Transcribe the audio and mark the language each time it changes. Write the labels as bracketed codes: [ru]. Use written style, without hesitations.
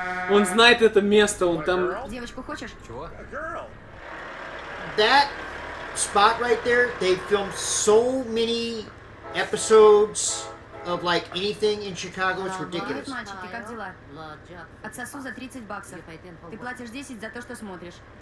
[ru] Он знает это место, он там... Девочку хочешь? Чего? [en] A girl. That spot right there, they filmed so many episodes of like anything in Chicago, it's ridiculous. [ru] Привет, мальчики, как дела? Отсосу за 30 баксов. Ты платишь 10 за то, что смотришь.